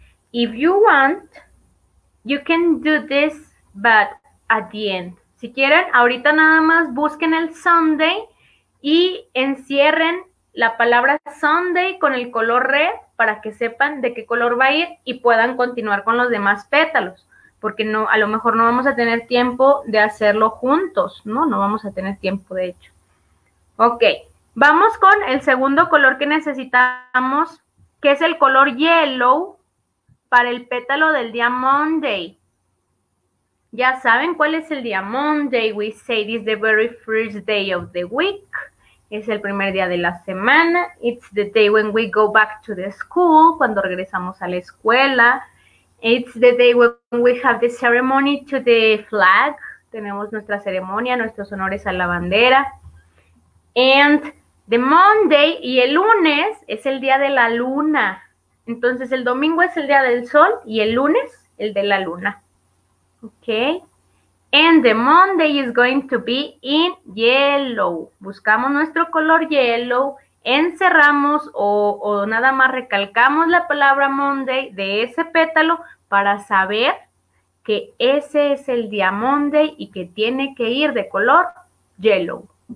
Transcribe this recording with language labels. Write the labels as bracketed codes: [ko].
[en] If you want, you can do this, but at the end. [es] Si quieren, ahorita nada más busquen el Sunday y encierren la palabra Sunday con el color red para que sepan de qué color va a ir y puedan continuar con los demás pétalos, porque no, a lo mejor no vamos a tener tiempo de hacerlo juntos, ¿no? No vamos a tener tiempo, de hecho. Ok, vamos con el segundo color que necesitamos, que es el color yellow. Para el pétalo del día Monday. Ya saben cuál es el día Monday. [en] We say it is the very first day of the week. Es el primer día de la semana. It's the day when we go back to the school, cuando regresamos a la escuela. It's the day when we have the ceremony to the flag. [es] Tenemos nuestra ceremonia, nuestros honores a la bandera. And the Monday y el lunes es el día de la luna. Entonces el domingo es el día del sol y el lunes el de la luna. ¿Ok? [en] And the Monday is going to be in yellow. [es] Buscamos nuestro color yellow, encerramos o nada más recalcamos la palabra Monday de ese pétalo para saber que ese es el día Monday y que tiene que ir de color yellow.